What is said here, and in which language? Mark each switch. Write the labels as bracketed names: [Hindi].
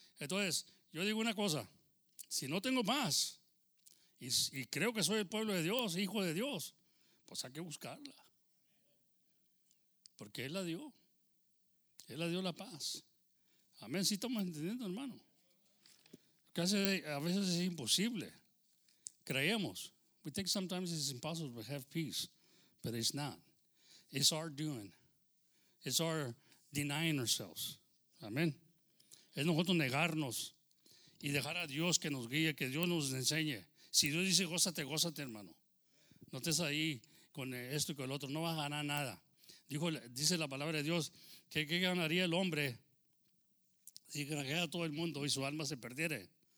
[Spanish] Entonces, yo digo una cosa, si no tengo paz y creo que soy el pueblo de Dios, hijo de Dios, pues hay que buscarla. Porque Él la dio. Él la dio la paz. Amén. Sí estamos entendiendo, hermano. Que a veces es imposible. Creemos. [English] We think sometimes it's impossible to have peace. But it's not. It's our doing. It's our denying ourselves. [Spanish] Amén. Es nosotros negarnos y dejar a Dios que nos guíe, que Dios nos enseñe. Si Dios dice gózate, gózate, hermano. No estés ahí con esto y con el otro. No vas a ganar nada. Dice la palabra de Dios que qué ganaría el hombre si ganara todo el mundo y su alma se perdiere.